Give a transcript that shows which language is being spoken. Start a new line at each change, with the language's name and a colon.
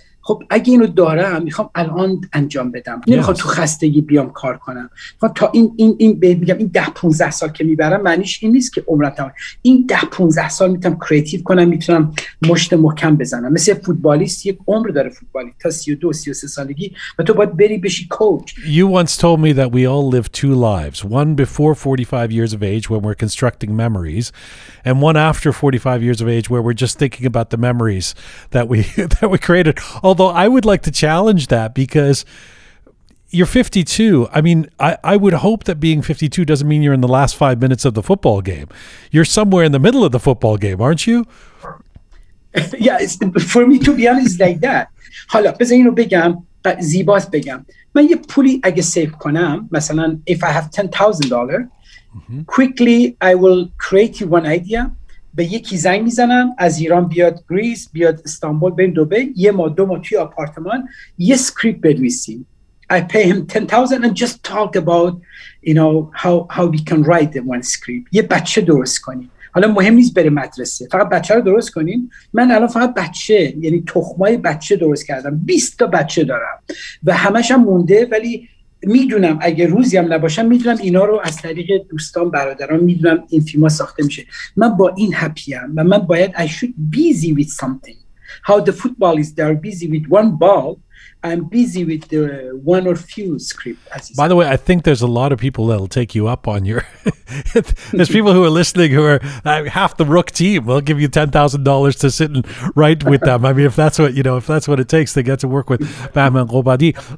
Persian: خب اگه اینو دارم میخوام الان انجام بدم, نمیخوام تو خستگی بیام کار کنم. خب تا این میگم این 10-15 سال که میبرم معنیش این نیست که عمرم تمام, این 10-15 سال میتونم کریتیو کنم, میتونم مشت محکم بزنم. مثل فوتبالیست یک عمر داره فوتبالی تا 32-33 سالگی و تو باید بری بشی کوچ.
English: You once told me that we all live 2 lives, one before 45 years of age when we're constructing memories, and one after 45 years of age where we're just thinking about the memories that we created. Although I would like to challenge that, because you're 52. I mean, I would hope that being 52 doesn't mean you're in the last 5 minutes of the football game. You're somewhere in the middle of the football game, aren't you? Yeah, it's, for me to be honest, like that.
Persian: حالا بذار اینو بگم, زیباست بگم. من یه پولی اگه سیف کنم, مثلا
English: if I have $10,000, quickly I will create you one idea.
Persian: به یکی زنگ میزنم از ایران بیاد گریس, بیاد استانبول, بریم دبی, یه ما دو ما توی آپارتمان یه اسکریپت بنویسیم.
English: I pay him $10,000 and just talk about, you know, how we can write the one script.
Persian: یه بچه درست کنیم, حالا مهم نیست بره مدرسه, فقط بچه رو درست کنیم. من الان فقط بچه, یعنی تخمای بچه درست کردم, 20 تا بچه دارم و همش هم مونده, ولی میدونم اگه روزی هم نباشم میدونم اینا رو از طریق دوستان برادران میدونم این فیلم ها ساخته میشه. من با این هپیم و من باید
English: I should busy with something. How the footballers they are busy with one ball, I'm busy with the one or few script. By the way, I think there's a lot of people that'll take you up on your there's people who are listening who are half the Rook team. We'll give you $10,000 to sit and write with them. I mean, if that's what, you know, if that's what it takes to get to work with Bahman Ghobadi.